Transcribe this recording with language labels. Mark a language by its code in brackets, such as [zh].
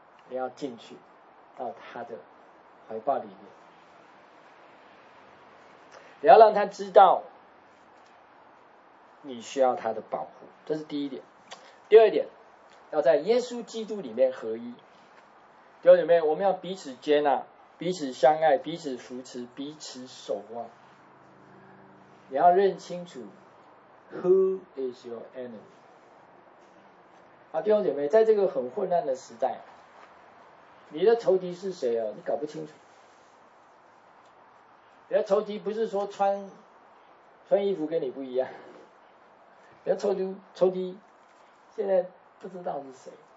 [zh] 你要进去到他的怀抱里面，你要让他知道你需要他的保护，这是第一点。第二点，要在耶稣基督里面合一。弟兄姐妹，我们要彼此接纳，彼此相爱，彼此扶持，彼此守望。你要认清楚 [en] Who is your enemy？ [zh] 弟兄姐妹，在这个很混乱的时代，你的仇敌是谁啊？你搞不清楚。人家仇敌不是说穿衣服跟你不一样，人家仇敌现在不知道是谁。